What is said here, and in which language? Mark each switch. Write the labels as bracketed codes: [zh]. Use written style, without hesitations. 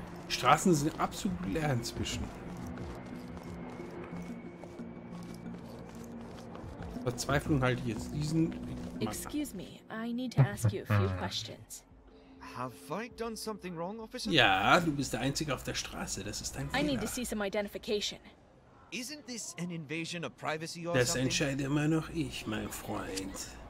[de] Die Straßen sind absolut leer inzwischen. Verzweiflung halte ich jetzt diesen. [en] Excuse me, I need to ask you a few questions. Have I done something wrong, officer? [de] Ja, du bist der Einzige auf der Straße. Das ist dein Fehler. [en] I need to see some identification. Isn't this an invasion of privacy or something? [de] Das entscheide immer noch ich, mein Freund.